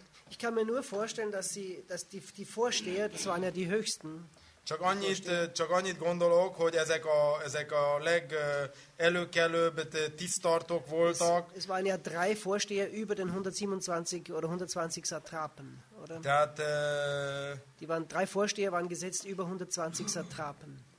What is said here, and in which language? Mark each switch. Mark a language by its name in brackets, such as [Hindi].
[German] Ich kann mir nur vorstellen, dass die Vorsteher, das waren ja die höchsten. [Hungarian] Csak annyit gondolok, hogy ezek a legelőkelőbb tisztartók voltak. [German] Es waren ja drei Vorsteher über den 127 oder 120 Satrapen, oder? [Hungarian] Tehát, [German] die waren drei Vorsteher waren gesetzt über 120 Satrapen.